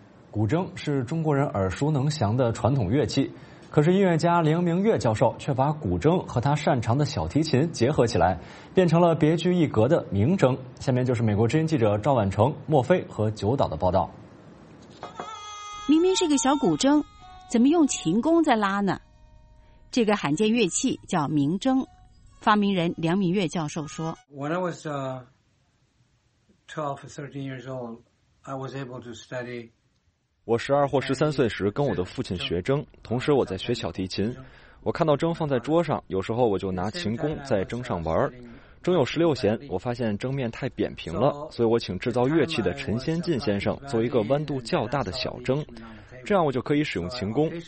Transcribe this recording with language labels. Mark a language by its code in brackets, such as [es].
[zh] 古筝是中国人耳熟能详的传统乐器，可是音乐家梁明月教授却把古筝和他擅长的小提琴结合起来，变成了别具一格的名筝。下面就是美国之音记者赵婉成、莫非和九岛的报道。明明是个小古筝，怎么用琴弓在拉呢？这个罕见乐器叫名筝，发明人梁明月教授说 [en] When I was 12 or 13 years old, I was able to study... [zh] 我12或13岁时跟我的父亲学筝，同时我在学小提琴。我看到筝放在桌上，有时候我就拿琴弓在筝上玩。筝有16弦，我发现筝面太扁平了，所以我请制造乐器的陈先进先生做一个弯度较大的小筝，这样我就可以使用琴弓。